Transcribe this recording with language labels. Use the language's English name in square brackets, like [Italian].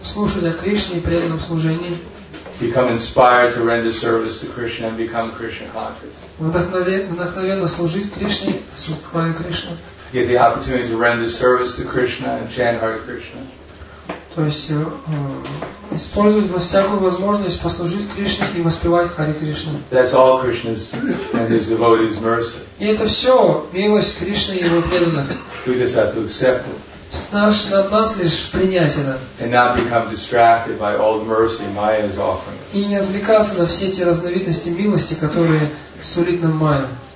[Russian] Слушать о Кришне и преданном служении. [English] Become inspired to render service to Krishna and become Krishna conscious. [Russian] Вдохновенно служить Кришне, служить Кришне. [English] Get the opportunity to render service to Krishna and chant Hare Krishna. [Russian] То есть использовать всякую возможность послужить Кришне и воспевать Харе Кришне. [English] That's all Krishna's and his devotees' mercy. [Russian] И это все милость Кришны и его преданных. [English] We just have to accept it. [Russian] Над нас лишь принять это. [English] And not become distracted by all the mercy Maya is offering. [Russian] И не отвлекаться на все эти разновидности милости, которые сулит нам Майя.